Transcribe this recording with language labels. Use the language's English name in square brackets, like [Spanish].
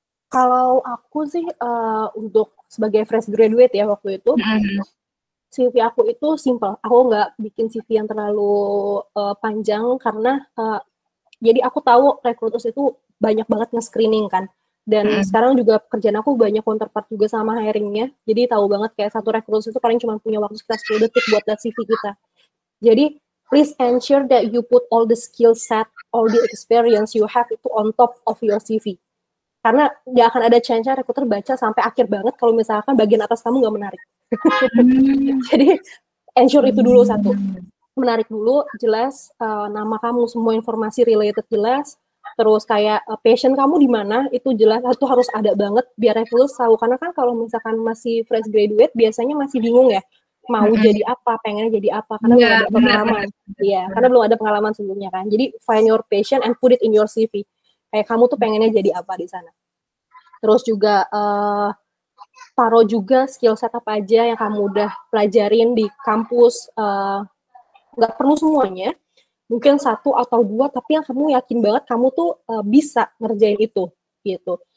[Indonesian] Kalau aku sih untuk sebagai fresh graduate ya waktu itu, CV aku itu simple. Aku nggak bikin CV yang terlalu panjang karena jadi aku tahu rekruters itu banyak banget nge-screening kan. Dan sekarang juga pekerjaan aku banyak counterpart juga sama hiringnya. Jadi tahu banget kayak satu rekruters itu paling cuma punya waktu sekitar 10 detik buat lihat CV kita. [English] Jadi please ensure that you put all the skill set, all the experience you have itu on top of your CV. [Indonesian] Karena gak akan ada chance-nya rekruter baca sampai akhir banget kalau misalkan bagian atas kamu gak menarik. Jadi ensure itu dulu satu. Menarik dulu, jelas nama kamu, semua informasi related jelas. Terus kayak passion kamu di mana itu jelas, itu harus ada banget biar rekruter tahu. Karena kan kalau misalkan masih fresh graduate biasanya masih bingung ya. Mau jadi apa, pengennya jadi apa, karena belum ada pengalaman. Iya, karena belum ada pengalaman sebelumnya kan. [English] Jadi find your passion and put it in your CV. [Indonesian] Kayak kamu tuh pengennya jadi apa di sana. Terus juga taruh juga skill set apa aja yang kamu udah pelajarin di kampus. Gak perlu semuanya, mungkin satu atau dua, tapi yang kamu yakin banget kamu tuh bisa ngerjain itu gitu.